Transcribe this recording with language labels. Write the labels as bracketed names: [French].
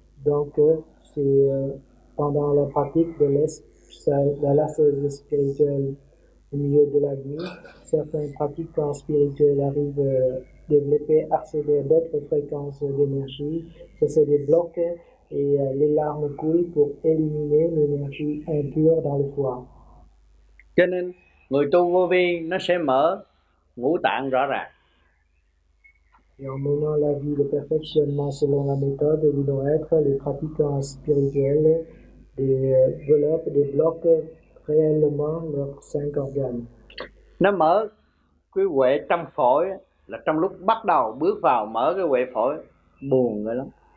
[French] Donc c'est pendant la pratique de l'assaisonnement spirituel au milieu de la nuit, certains pratiquants spirituels arrivent à développer, accéder à d'autres fréquences d'énergie, ça se débloque et les larmes coulent pour éliminer l'énergie impure dans le foie. [Vietnamese] Cho nên người tu vô vi nó sẽ mở ngũ tạng rõ ràng. [French] Et en menant la vie de perfectionnement selon la méthode du non-être, les pratiquants spirituels développent, débloquent réellement leurs cinq organes. [Vietnamese] Nó mở cái huệ trong phổi là trong lúc bắt đầu bước vào mở cái huệ phổi buồn rồi lắm.